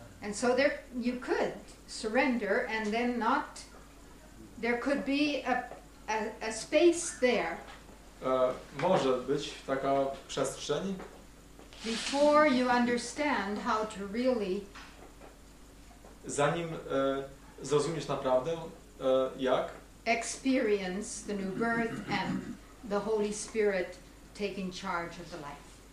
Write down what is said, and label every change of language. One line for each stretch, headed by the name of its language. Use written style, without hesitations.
English: And so there you could surrender and then not there could be a space there.
Polish: Może być taka przestrzeń.
English: Before you understand how to really
Polish: zanim zrozumiesz naprawdę jak
English: experience the new birth and the Holy Spirit taking charge of the life.